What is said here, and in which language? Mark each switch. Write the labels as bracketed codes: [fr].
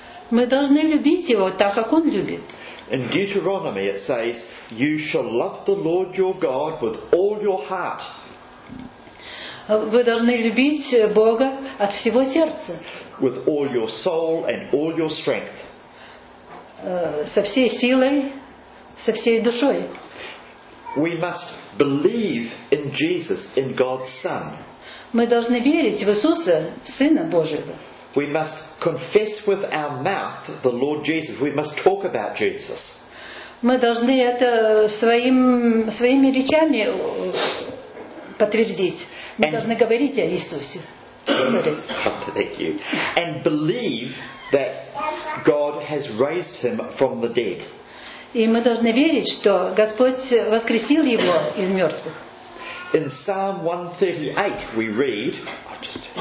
[ru] Мы должны любить его так, как он любит. [en] In Deuteronomy it says, you shall love the Lord your God with all your heart. [ru] Вы должны любить Бога от всего сердца. [en] With all your soul and all your strength. [ru] Со всей силой, со всей душой. [en] We must believe in Jesus, in God's Son. [ru] Мы должны верить в Иисуса, Сына Божьего. [en] We must confess with our mouth the Lord Jesus. We must talk about Jesus. [ru] Мы должны это своими речами подтвердить. Мы должны говорить о Иисусе. [en] Thank you. And believe that God has raised him from the dead. [ru] И мы должны верить, что Господь воскресил его из мертвых. [en] In Psalm 138 we read, I'll just...